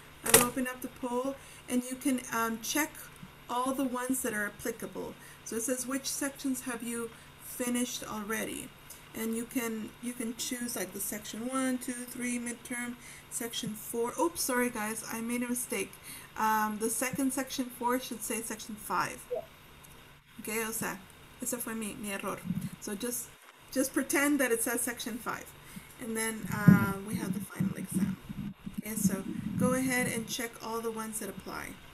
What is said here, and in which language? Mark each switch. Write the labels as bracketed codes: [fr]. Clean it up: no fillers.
[en] I've opened up the poll, and you can check all the ones that are applicable. So it says which sections have you finished already, and you can choose like the section 1, 2, 3 midterm. Section 4, oops, sorry guys, I made a mistake. The second section 4 should say section 5. [es] Okay, o sea, ese fue mi error. [en] So just pretend that it says section 5. And then we have the final exam. Okay, so go ahead and check all the ones that apply.